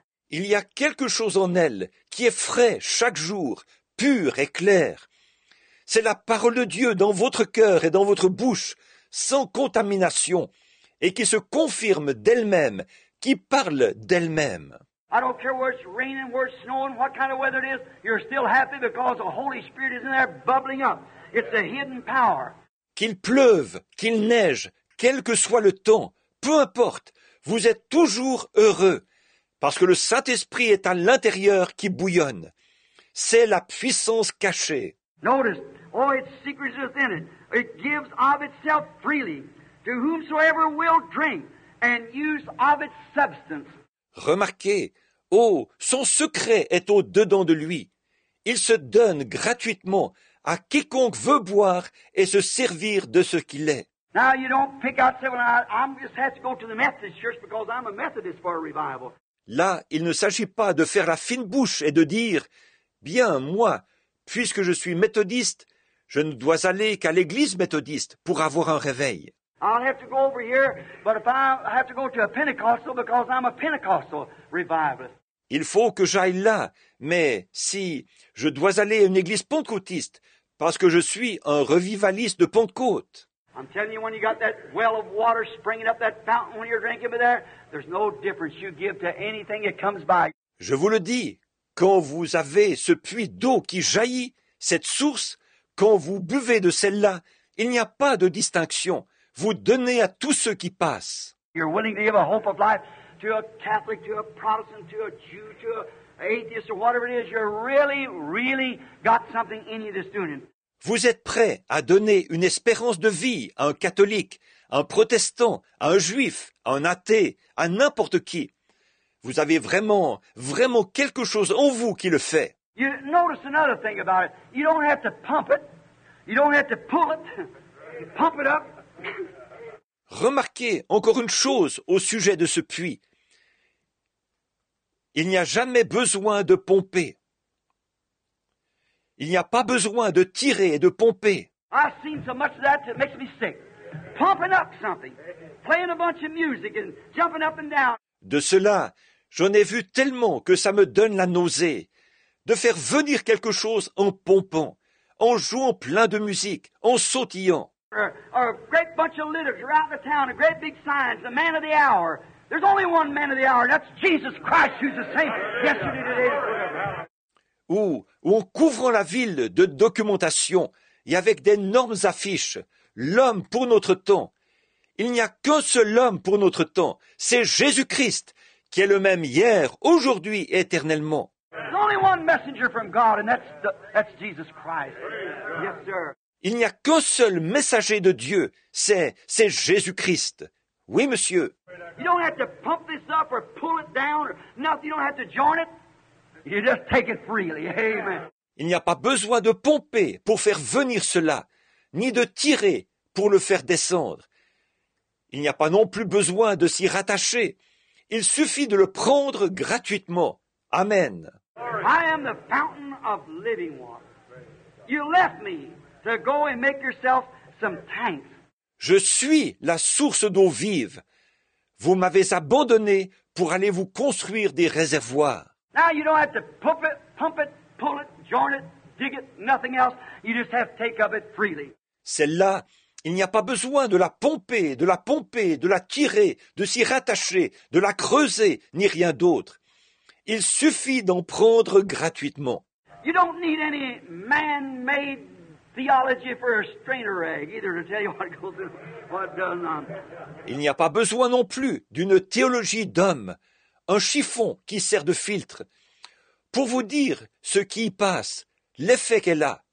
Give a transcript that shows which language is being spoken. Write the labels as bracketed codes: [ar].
[fr] Il y a quelque chose en elle qui est frais chaque jour, pur et clair. C'est la parole de Dieu dans votre cœur et dans votre bouche, sans contamination, et qui se confirme d'elle-même, qui parle d'elle-même. [en] I don't care where it's raining, where it's snowing, what kind of weather it is, you're still happy because the Holy Spirit is in there bubbling up. It's a hidden power. [fr] Qu'il pleuve, qu'il neige, quel que soit le temps, peu importe, vous êtes toujours heureux, parce que le Saint-Esprit est à l'intérieur qui bouillonne. C'est la puissance cachée. [en] Notice, all its secrets within it, it gives of itself freely, to whomsoever will drink, and use of its substance. [fr] Remarquez, oh, son secret est au-dedans de lui. Il se donne gratuitement à quiconque veut boire et se servir de ce qu'il est. [en] Now you don't pick out seven, I'm just have to go to the Methodist church because I'm a Methodist for a revival. [fr] Là, il ne s'agit pas de faire la fine bouche et de dire, bien, moi, puisque je suis méthodiste, je ne dois aller qu'à l'église méthodiste pour avoir un réveil. [en] I'll have to go over here, but if I have to go to a Pentecostal because I'm a Pentecostal revivalist. [fr] Il faut que j'aille là, mais si je dois aller à une église pentecôtiste parce que je suis un revivaliste de Pentecôte. [en] I'm telling you, when you got that well of water springing up that fountain when you're drinking by there, there's no difference you give to anything that comes by. [fr] Je vous le dis, quand vous avez ce puits d'eau qui jaillit, cette source, quand vous buvez de celle-là, il n'y a pas de distinction. Vous donnez à tous ceux qui passent. [en] You're willing to give a hope of life to a Catholic, to a Protestant, to a Jew, to an atheist, or whatever it is. You're really, really got something in you that's doing it. [fr] Vous êtes prêt à donner une espérance de vie à un catholique, à un protestant, à un juif, à un athée, à n'importe qui. Vous avez vraiment, vraiment quelque chose en vous qui le fait. [en] You notice another thing about it. You don't have to pump it. You don't have to pull it. You pump it up. [fr] Remarquez encore une chose au sujet de ce puits. Il n'y a jamais besoin de pomper. Il n'y a pas besoin de tirer et de pomper. [en] I've seen so much of that it makes me sick. Pumping up something, playing a bunch of music and jumping up and down. [fr] De cela, j'en ai vu tellement que ça me donne la nausée. De faire venir quelque chose en pompant, en jouant plein de musique, en sautillant. [en] Or a great bunch of literature out in the town, a great big sign, the man of the hour. There's only one man of the hour, that's Jesus Christ, who's the same yesterday, today. [fr] Ou en couvrant la ville de documentation et avec d'énormes affiches, l'homme pour notre temps. Il n'y a qu'un seul homme pour notre temps, c'est Jésus-Christ, qui est le même hier, aujourd'hui, éternellement. [en] There's only one messenger from God, and that's Jesus Christ. Yes, sir. [fr] Il n'y a qu'un seul messager de Dieu, c'est Jésus-Christ. Oui, monsieur. [en] You don't have to pump this up or pull it down or nothing. You don't have to join it. You just take it freely. Amen. [fr] Il n'y a pas besoin de pomper pour faire venir cela, ni de tirer pour le faire descendre. Il n'y a pas non plus besoin de s'y rattacher. Il suffit de le prendre gratuitement. Amen. [en] I am the fountain of living water. You left me to go and make yourself some tanks. [fr] Je suis la source d'eau vive. Vous m'avez abandonné pour aller vous construire des réservoirs. [en] Now you don't have to pump it, pull it, join it, dig it, nothing else. You just have to take of it freely. [fr] Celle-là, il n'y a pas besoin de la pomper, de la pomper, de la tirer, de s'y rattacher, de la creuser, ni rien d'autre. Il suffit d'en prendre gratuitement. [en] You don't need any man-made theology for a strainer egg either to tell you what goes on, what does not. [fr] Il n'y a pas besoin non plus d'une théologie d'homme, un chiffon qui sert de filtre, pour vous dire ce qui y passe, l'effet qu'elle a.